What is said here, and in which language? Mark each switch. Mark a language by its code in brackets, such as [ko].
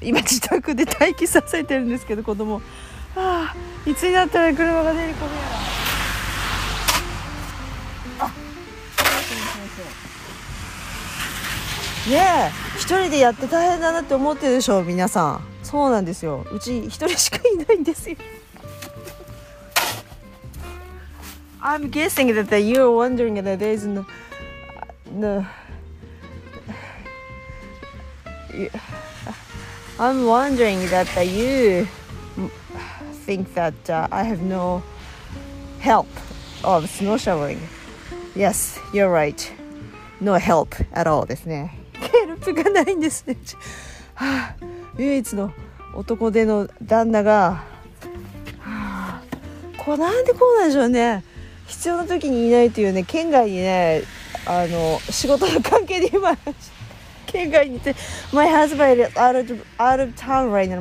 [ja] 今自宅で待機させてるんですけど子供、いつになったら車が出るかも。やらねえ、一人でやって大変だなって思ってるでしょ皆さん。そうなんですよ、うち一人しかいないんですよ。 [en] I'm guessing that you're wondering that there's no, no. I'm wondering that you think that I have no help of snow shoveling. Yes, you're right. No help at all ですね。 [ja] ヘルプがないんですね。唯一の男での旦那が、こうなんでこうなんでしょうね。必要な時にいないというね、県外にね、あの仕事の関係で今県外にいて、 [en] My husband is out of town right now.